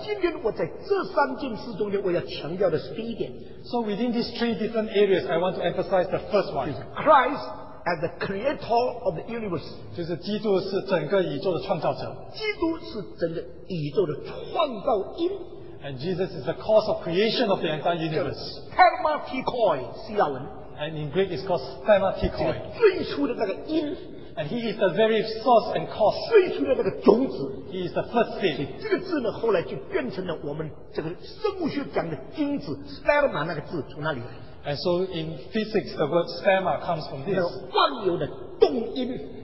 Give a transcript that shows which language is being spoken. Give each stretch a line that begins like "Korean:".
English: So within these three different areas, I want to emphasize the first one. Christ as the creator of the universe.
Chinese: 就是基督是整个宇宙的创造者。基督是整个宇宙的创造因。
English: And Jesus is the cause of creation of the entire universe. Spermatikoi, C-R-N. And in Greek it's called spermatikoi.
Chinese: 最初的那个因。
English: And He is the very source and cause.
Chinese: 最初的那个种子。
English: He is the first seed.
Chinese: 这个字呢, 后来就变成了我们这个生物学讲的精子, sperma那个字, 从那里来。
English: And so in physics, the word sperma comes from this.